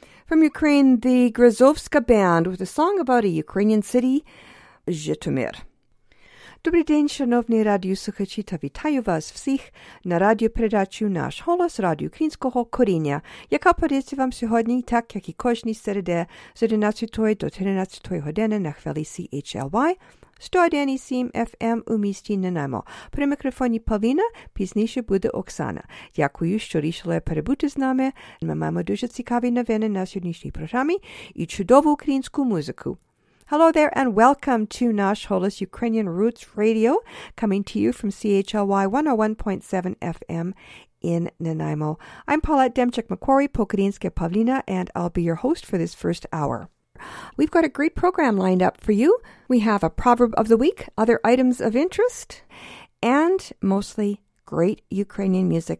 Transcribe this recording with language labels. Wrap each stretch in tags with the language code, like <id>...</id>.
<en>The Grazovska Band with a song about a Ukrainian city, Zhytomyr.</en> <cs>Dobrý den,</cs> <uk>шановні радіослухачі, та вітаю вас всіх на радіопередачі «Наш голос» радіо українського коріння, яка подається вам сьогодні, так як і кожні середи з 11 до 13 години на хвилі CHLY 101.7 FM у місті Нанаймо. При мікрофоні Павліна, пізніше буде Оксана. Дякую, що рішили перебути з нами. Ми маємо дуже цікаві новини на сьогоднішній програмі і чудову українську музику.</uk> <en>Hello there and welcome to Nash Holis Ukrainian Roots Radio, coming to you from CHLY 101.7 FM in Nanaimo. I'm Paulette Demchuk-Macquarie, Pokadinska Pavlina, and I'll be your host for this first hour. We've got a great program lined up for you. We have a proverb of the week, other items of interest, and mostly great Ukrainian music.</en>